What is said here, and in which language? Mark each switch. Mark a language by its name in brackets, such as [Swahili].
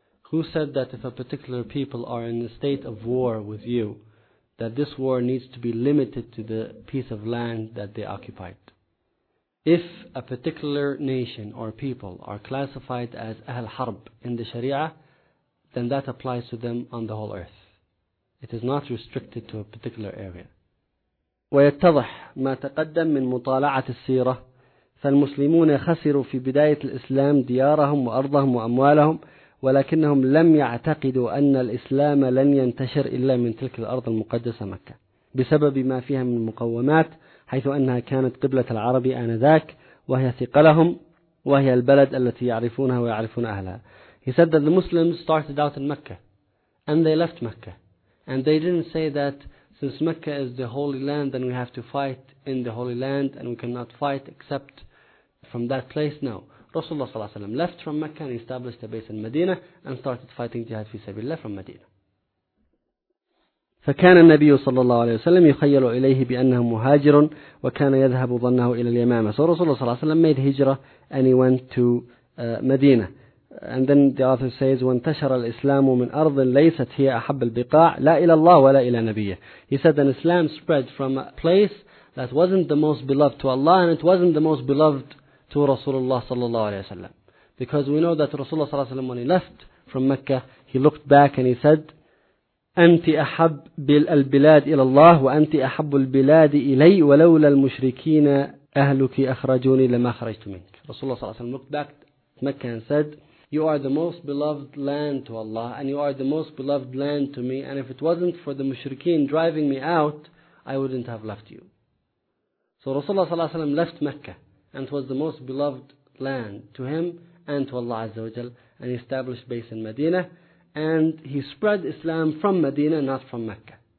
[English] Who said that if a particular people are in a state of war with you, that this war needs to be limited to the piece of land that they occupied? If a particular nation or people are classified as Ahl Harb in the Sharia, then that applies to them on the whole earth. It is not restricted to a particular area. [Arabic] ويتضح ما تقدم من مطالعة السيرة فالمسلمون خسروا في بداية الإسلام ديارهم وأرضهم وأموالهم ولكنهم لم يعتقدوا أن الإسلام لن ينتشر إلا من تلك الأرض المقدسة مكة بسبب ما فيها من مقومات حيث أنها كانت قبلة العرب آنذاك وهي ثقلهم وهي البلد التي يعرفونها ويعرفون أهلها. [English] He said that the Muslims started out in Mecca and they left Mecca, and they didn't say that since Mecca is the holy land, then we have to fight in the holy land, and we cannot fight except from that place. No. Rasulullah ﷺ left from Mecca and established a base in Medina and started fighting jihad fi sabilillah from Medina. [Arabic] فكان النبي صلى الله عليه وسلم يخيل إليه بأنه مهاجر وكان يذهب ظنه إلى اليمامة. [English] So Rasulullah [Arabic] صلى الله عليه وسلم [English] made hijrah and he went to Medina. And then the author says, [Arabic] وانتشر الإسلام من أرض ليست هي أحب البقاع لا إلى الله ولا إلى نبيه. [English] He said that Islam spread from a place that wasn't the most beloved to Allah and it wasn't the most beloved to Rasulullah [Arabic] صلى الله عليه وسلم. [English] Because we know that Rasulullah صلى الله عليه وسلم, when he left from Mecca, he looked back and he said, [Arabic] أنت أحب البلاد إلى الله وأنت أحب البلاد إلي ولولا المشركين أهلك أخرجوني لما خرجت منك. [English] Rasulullah [Arabic] صلى الله عليه وسلم [English] looked back to Mecca and said, you are the most beloved land to Allah, and you are the most beloved land to me, and if it wasn't for the mushrikeen driving me out, I wouldn't have left you. So Rasulullah ﷺ left Mecca, and it was the most beloved land to him and to Allah Azza wa Jal, and he established base in Medina, and he spread Islam from Medina, not from Mecca.